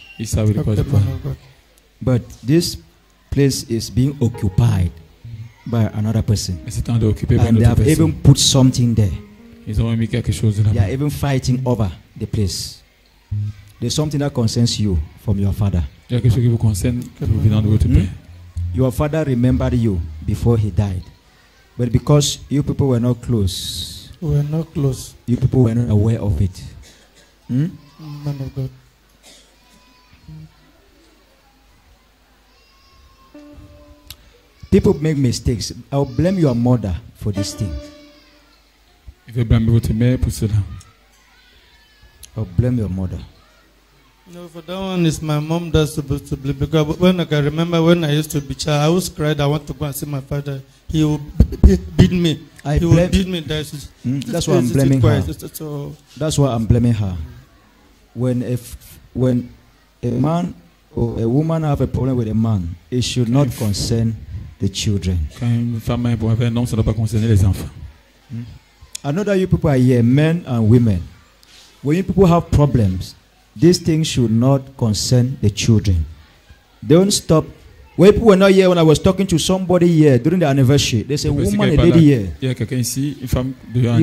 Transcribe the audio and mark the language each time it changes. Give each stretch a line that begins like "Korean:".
French: Ils savent de quoi je parle.
English: But this place is being occupied by another person.
French: Mais c'est en train d'occuper
English: and they have
French: personne.
English: Even put something there.
French: Ils ont mis quelque chose là-bas.
English: They are even fighting over the place. There's something that concerns you from your father.
French: Il y a quelque chose qui vous concerne venant de votre père.
English: Your father remembered you before he died. But because you people were not close. We're not close. You people were not aware of it. Man of God. People make mistakes. I'll blame your mother for this thing. If you blame your mother for cela. I'll blame your mother. No, for that one, it's my mom that's supposed to blame. Because when I can remember when I used to be child, I always cried, I want to go and see my father. He will beat me. He will beat me. That's why I'm blaming her. That's why I'm blaming her. When a man Oh, a woman have a problem with a man, it should not concern the children.
French: Quand une femme a un problème avec un homme, ça ne doit pas concerner les enfants.
English: I know that you people are here, men and women. When you people have problems, these things should not concern the children. Don't stop. When people were not here, when I was talking to somebody here during the anniversary, there's a woman, a lady here. He